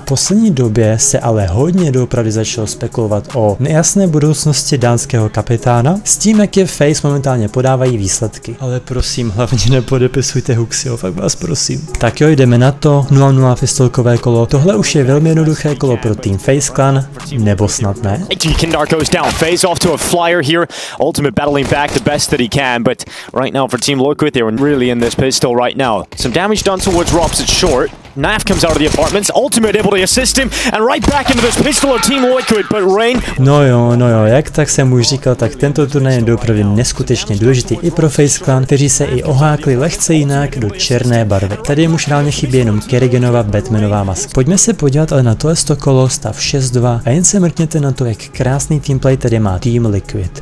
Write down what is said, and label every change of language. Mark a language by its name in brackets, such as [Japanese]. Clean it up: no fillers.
[Czech] V poslední době se ale hodně doopravdy začalo spekulovat o nejasné budoucnosti dánského kapitána s tím, jak je FaZe momentálně podávají výsledky. Ale prosím, hlavně nepodepisujte Huxio, fakt vás prosím. Tak jo, jdeme na to, 0-0 pistolkové kolo. Tohle už je velmi jednoduché kolo pro tým FaZe Clan, nebo snad ne? [English] Kindar goes down, FaZe off to a flyer here, ultimate battling back the best that he can, but right now for Team Liquid they're really in this pistol right now. Some damage done towards Rops, it's short. Naf comes out of the apartments, ultimate able to assist him and right back into this pistol of Team Liquid, but Rain. [Czech] No jo, jak tak jsem už říkal, tak tento turnaj je doopravdy neskutečně důležitý i pro FaZe Clan, kteří se i ohákli lehce jinak do černé barvy. Tady jim už reálně chybí jenom Kerriganova Batmanová mask. Pojďme se podívat ale na tohle kolo, stav 6-2 a jen se mrkněte na to, jak krásný teamplay tady má Team Liquid.